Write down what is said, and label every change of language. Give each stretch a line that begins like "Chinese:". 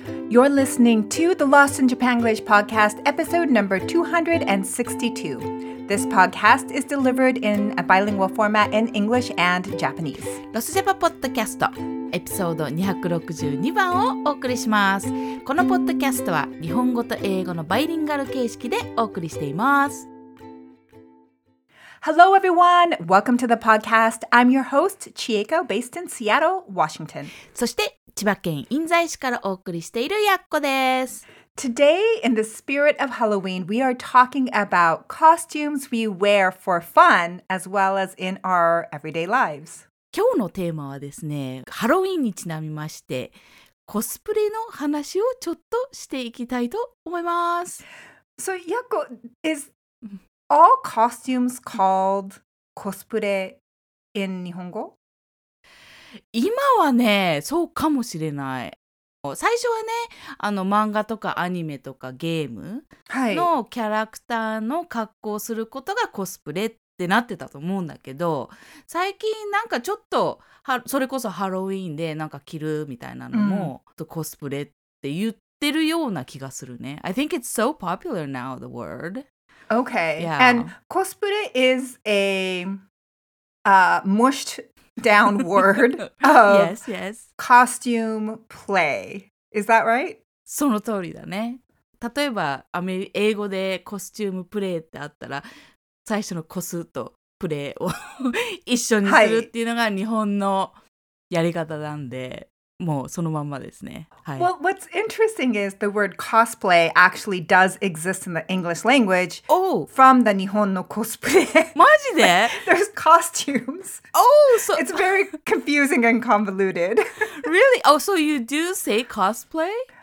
English: You're listening to the Lost in Japanglish podcast, episode number 262. This podcast is delivered in a bilingual format in English and Japanese.
Japanese: ロスジャパポッドキャストエピソード262番をお送りします。このポッドキャストは日本語と英語のバイリンガル形式でお送りしています。
English: Hello everyone! Welcome to the podcast. I'm your host, Chieko, based in Seattle, Washington.
Japanese: そして千葉県印西市からお送りしているやっこです。
English: Today, in the spirit of Halloween, we are talking about costumes we wear for fun as well as in our everyday lives.
Japanese: 今日のテーマはですね、ハロウィンにちなみまして、コスプレの話をちょっとしていきたいと思います。
English: So, Yakko, is all costumes called cosplay in 日本語?
Japanese: 今はね、そうかもしれない。最初はね、漫画とかアニメとかゲームのキャラクターの格好をすることがコスプレってなってたと思うんだけど、最近なんかちょっとそれこそハロウィーンでなんか着るみたいなのも、うん、コスプレって言ってるような気がするね。
English: I think it's so popular now, the word. Okay,、yeah. and コスプレ is a mushed... downward of yes, yes. costume play. Is that right?
Japanese: その通りだね。例えば、英語でコスチュームプレイってあったら、最初のコスとプレイを一緒にするっていうのが日本のやり方なんで、もうそのまんまですね。はい。
English: Well, what's interesting is the word cosplay actually does exist in the English language、 oh. from the
Japanese: 日本のコスプレ。マジで?
English: Like, there's costumes. Oh, so... It's very confusing and convoluted. Really? Oh, so you do say cosplay?